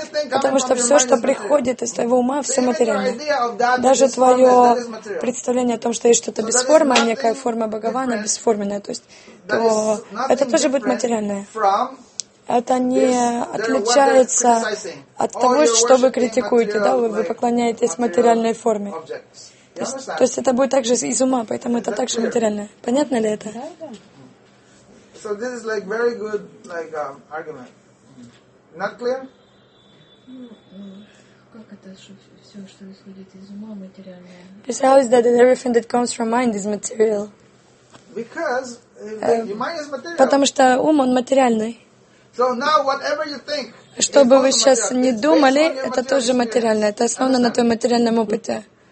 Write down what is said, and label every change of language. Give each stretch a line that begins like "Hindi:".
Russian: Потому что все, что приходит из твоего ума, все материально. Даже твое представление о том, что есть что-то без формы, некая форма Бхагавана, бесформенная, то есть то это тоже будет материальное. Это не отличается от того, что вы критикуете, да, вы поклоняетесь материальной форме. То есть это будет также из ума, поэтому это также материальное. Понятно ли это?
English: So this is like very good like argument. Not clear?
Russian: Как это, что все, что исходит из ума, материальное?
English: Because how is that everything that comes from mind is material? Because
Russian: потому что ум, он материальный.
English: So now, whatever you think,
Russian: что бы вы сейчас ни думали, это тоже материальное. Это основано на твоем материальном опыте.